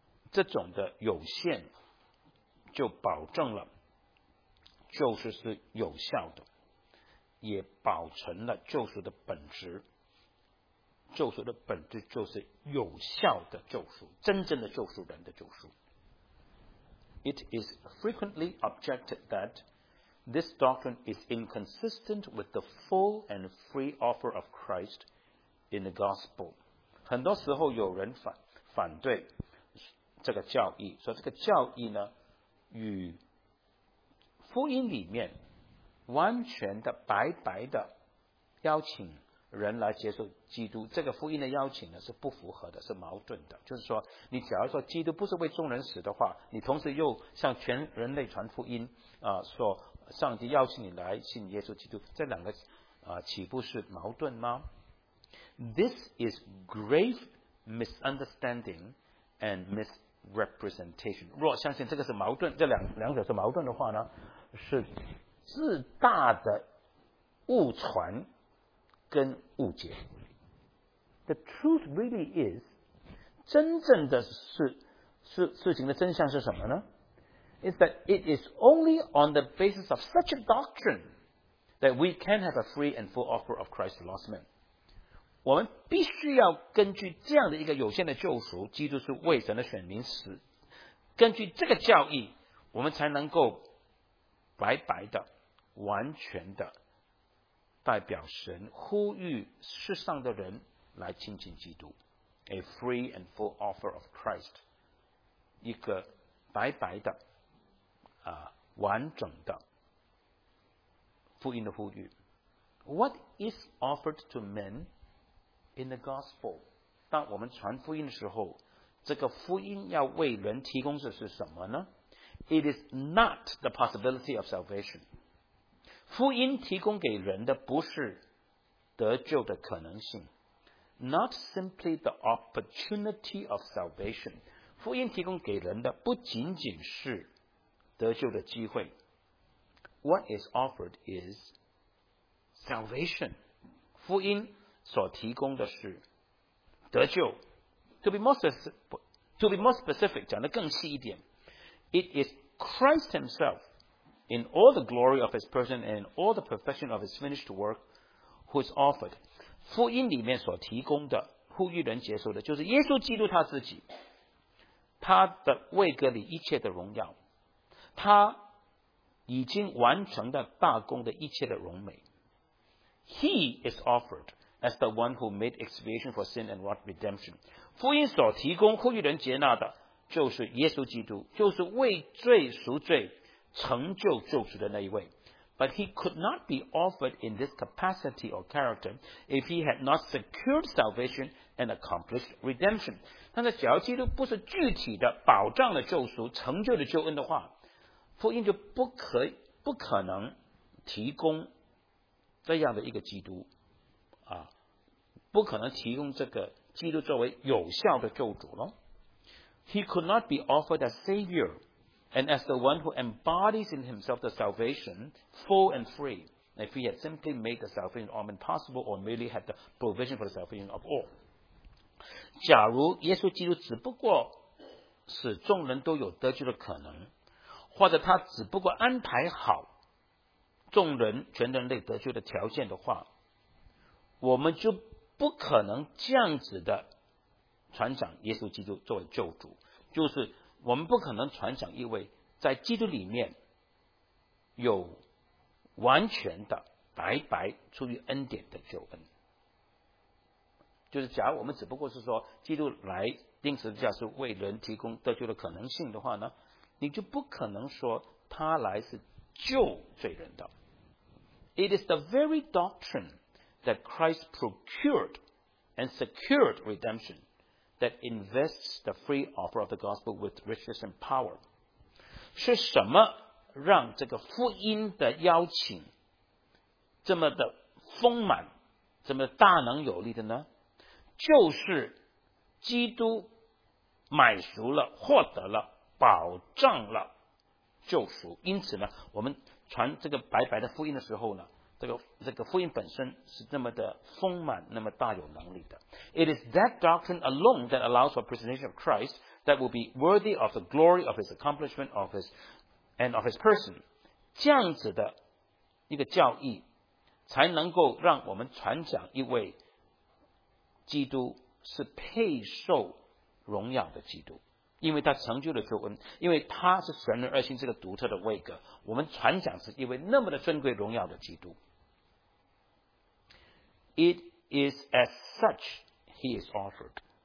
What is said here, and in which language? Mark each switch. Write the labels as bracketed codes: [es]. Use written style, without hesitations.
[zh] 这种的有限就保证了救赎是有效的，也保存了救赎的本质。救赎的本质就是有效的救赎，真正的救赎人的救赎。 [en] It is frequently objected that this doctrine is inconsistent with the full and free offer of Christ in the gospel. [zh] 很多时候有人反对这个教义，说这个教义呢与福音里面完全的白白的邀请人来接受基督这个福音的邀请呢是不符合的，是矛盾的。就是说你假如说基督不是为众人死的话，你同时又向全人类传福音啊，说上帝邀请你来信耶稣基督，这两个啊岂不是矛盾吗？ [en] This is grave misunderstanding and misrepresentation. [zh] 若相信这个是矛盾，这两者是矛盾的话呢，是自大的误传跟误解。 [en] The truth really is [zh] 真正的事情的真相是什么呢？ [en] Is that it is only on the basis of such a doctrine that we can have a free and full offer of Christ to lost men. [zh] 我们必须要根据这样的一个有限的救赎，基督是为神的选民死，根据这个教义我们才能够白白的完全的代表神呼吁世上的人来亲近基督。 [en] A free and full offer of Christ, [zh] 一个白白的完整的福音的呼吁。 [en] What is offered to menIn the gospel, [zh] 当我们传福音的时候，这个福音要为人提供的是什么呢？ [en] It is not the possibility of salvation. [zh] 福音提供给人的不是得救的可能性， [en] not simply the opportunity of salvation. [zh] 福音提供给人的不仅仅是得救的机会。 [en] What is offered is salvation. [zh] 福音所提供的是得救。 [en] To be more specific, [zh] 讲得更细一点。 [en] It is Christ himself, in all the glory of his person and in all the perfection of his finished work, who is offered. [zh] 福音里面所提供的呼吁人接受的就是耶稣基督他自己。他的位格里一切的荣耀，他已经完成的大功的一切的荣美。 [en] He is offered as the one who made expiation for sin and wrought redemption. [zh] 福音所提供呼吁人接纳的就是耶稣基督，就是为罪赎罪成就救赎的那一位。 [en] But he could not be offered in this capacity or character if he had not secured salvation and accomplished redemption. [zh] 但是只要基督不是具体的保障了救赎，成就了救恩的话，福音就不可能提供这样的一个基督啊，不可能提供这个基督作为有效的救主咯。 [en] He could not be offered as Savior and as the one who embodies in himself the salvation full and free if he had simply made the salvation of all possible or merely had the provision for the salvation of all. [zh] 假如耶稣基督只不过使众人都有得救的可能，或者他只不过安排好众人全人类得救的条件的话，我们就不可能这样子的传讲耶稣基督作为救主，就是我们不可能传讲一位在基督里面有完全的白白出于恩典的救恩。就是假如我们只不过是说基督来钉十字架是为人提供得救的可能性的话呢，你就不可能说他来是救罪人的。 [en] It is the very doctrine that Christ procured and secured redemption that invests the free offer of the gospel with riches and power. [zh] 是什么让这个福音的邀请这么的丰满，这么大能有力的呢？就是基督买赎了，获得了，保障了救赎。因此呢，我们传这个白白的福音的时候呢，这个福音本身是那么的丰满，那么大有能力的。 [en] It is that doctrine alone that allows for presentation of Christ that will be worthy of the glory of his accomplishment of his person. [zh] 这样子的一个教义才能够让我们传讲一位基督是配受荣耀的基督，因为他成就了救恩，因为他是神人二心这个独特的位格，我们传讲是因为那么的尊贵荣耀的基督。 [en] It is as such he is offered.